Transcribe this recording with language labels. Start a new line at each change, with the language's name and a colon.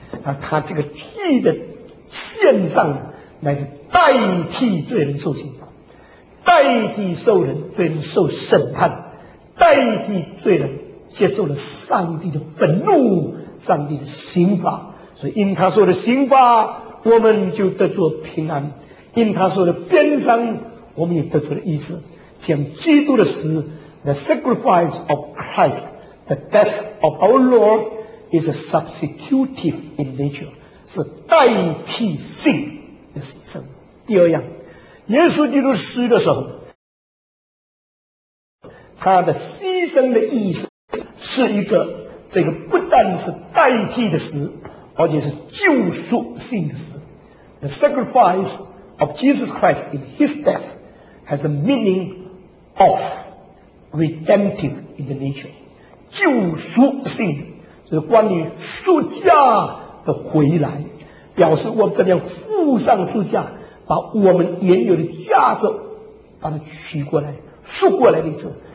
Chinese: 那他这个替的献上乃是代替罪人受刑罚，代替受人罪人受审判，代替罪人接受了上帝的愤怒，上帝的刑罚。所以因他受的刑罚，我们就得着平安，因他受的鞭伤，我们也得着了医治。像基督的死，
English: The sacrifice of Christ, the death of our Lord is a substitutive in nature,
Chinese: 是代替性的死生。第二样，耶稣基督死的时候，他的牺牲的意思是一个，这个不但是代替的死，而且是救赎性的死。
English: The sacrifice of Jesus Christ in his death has a meaning of redemptive in the nature,
Chinese: 救赎性，是关于赎价的回来，表示我们这样付上赎价，把我们原有的价值把它取过来赎过来的意思。